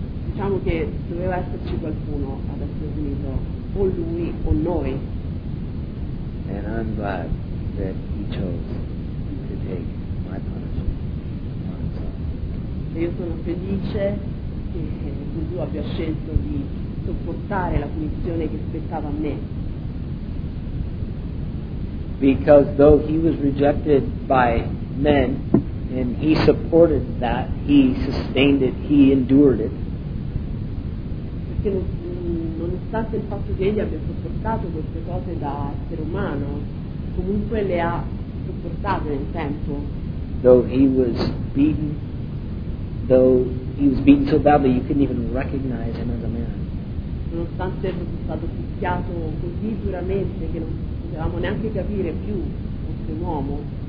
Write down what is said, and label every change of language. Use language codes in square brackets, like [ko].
[it] Diciamo che doveva esserci qualcuno ad essere finito, o lui o noi. [en] And I'm glad that he chose to take my punishment on himself. [it] E io sono felice che Gesù abbia scelto di sopportare la punizione che spettava a me. [en] Because though he was rejected by men, and he supported that, he sustained it, he endured it. [it] Perché nonostante il fatto che egli abbia sopportato queste cose da essere umano, comunque le ha sopportate nel tempo. [en] Though he was beaten, so badly you couldn't even recognize him as a man. [it] Nonostante fosse stato picchiato così duramente che non potevamo neanche capire più fosse un uomo.